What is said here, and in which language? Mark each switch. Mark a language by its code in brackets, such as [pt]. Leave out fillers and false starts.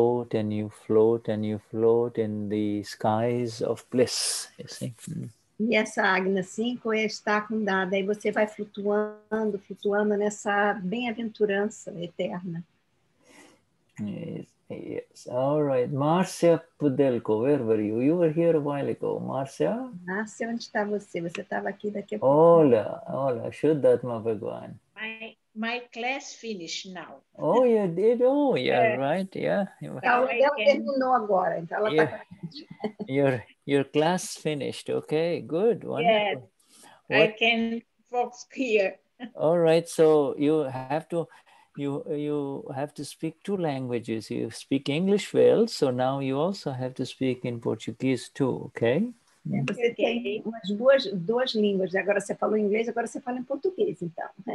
[en] Then you float in the skies of bliss. You see? [pt] E essa Agna 5 é estar com Dada, aí você vai flutuando nessa bem-aventurança eterna. [en] Yes, all right. Marcia Pudelko, where were you? You were here a while ago, Marcia? [pt] Marcia, onde está você? Você estava aqui daqui a pouco. Hola, Shuddhatma Bhagwan. [en] My class finished now. Oh, you did? Oh, yeah, yes. Right, yeah. [pt] Ela terminou agora, então ela está com a gente. [en] Your class finished, okay, good, wonderful. Yes, I can talk here. All right, so you have to speak two languages. You speak English well, so now you also have to speak in Portuguese too, okay? [pt] Você tem duas línguas, agora você fala inglês, agora você fala em português, então.